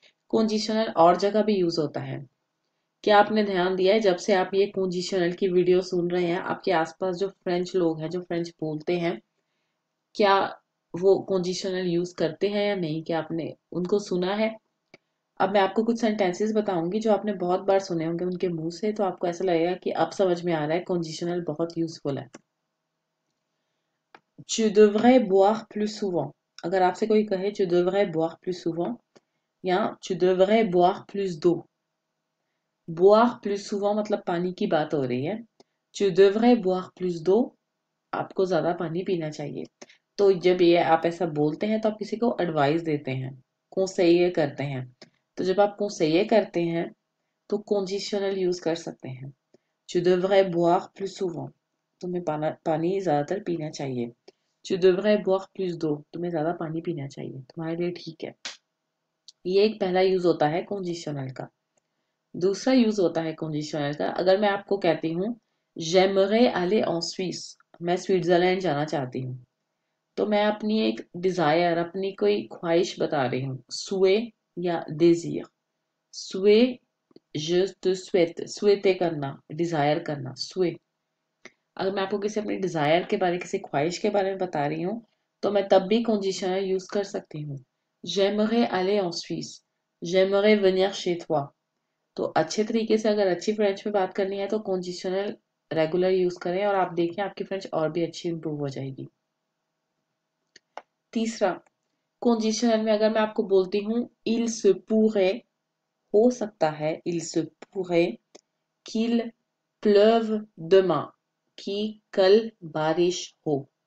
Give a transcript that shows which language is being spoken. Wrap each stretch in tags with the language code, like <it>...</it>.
<hi>कॉन्जिशनल और जगह भी यूज होता है। क्या आपने ध्यान दिया है जब से आप ये कॉन्जिशनल की वीडियो सुन रहे हैं आपके आसपास जो फ्रेंच लोग हैं जो फ्रेंच बोलते हैं क्या वो कॉन्जिशनल यूज करते हैं या नहीं, क्या आपने उनको सुना है? अब मैं आपको कुछ सेंटेंसेस बताऊंगी जो आपने बहुत बार सुने होंगे उनके मुंह से, तो आपको ऐसा लगेगा कि अब समझ में आ रहा है कॉन्जिशनल बहुत यूजफुल है।</hi> <fr>Tu devrais boire plus souvent.</fr> <hi>अगर आपसे कोई कहे</hi> <fr>tu devrais boire plus souvent</fr> <hi>या</hi> <fr>tu devrais boire plus d'eau. Boire plus souvent</fr> <hi>मतलब पानी की बात हो रही है।</hi> <fr>Tu devrais boire plus d'eau.</fr> <hi>आपको ज्यादा पानी पीना चाहिए। तो जब ये आप ऐसा बोलते हैं तो आप किसी को एडवाइस देते हैं, कौंसेये करते हैं। तो जब आप कौंसेये करते हैं तो कॉन्जिशनल यूज कर सकते हैं।</hi> <fr>Tu devrais boire plus souvent.</fr> <hi>तुम्हें पानी ज्यादातर पीना चाहिए।</hi> <fr>Tu devrais boire plus d'eau.</fr> <hi>तुम्हें ज्यादा पानी पीना चाहिए, तुम्हारे लिए ठीक है। ये एक पहला यूज होता है कॉन्जिशनल का। दूसरा यूज होता है कॉन्जिशनल का, अगर मैं आपको कहती हूँ</hi> <fr>j'aimerais aller en Suisse,</fr> <hi>मैं स्विट्जरलैंड जाना चाहती हूँ, तो मैं अपनी एक डिजायर, अपनी कोई ख्वाहिश बता रही हूँ, सुए या डिजीर। सुए</hi> <fr>je te souhaite,</fr> <hi>सुएते करना, डिजायर करना, सुए। अगर मैं आपको किसी अपनी डिजायर के बारे, किसी ख्वाहिश के बारे में बता रही हूँ तो मैं तब भी कॉन्जिशनल यूज कर सकती हूँ।</hi> <fr>J'aimerais aller en Suisse. J'aimerais venir chez toi.</fr> <hi>तो अच्छे तरीके से अगर अच्छी फ्रेंच में बात करनी है तो कॉन्जिशनल रेगुलर यूज करें और आप देखें आपकी फ्रेंच और भी अच्छी इंप्रूव हो जाएगी। तीसरा, कॉन्जिशनल में अगर मैं आपको बोलती हूँ इल से पूरे, हो सकता है इल से पूरे किल प्लेव दमा, कि कल बारिश हो।</hi>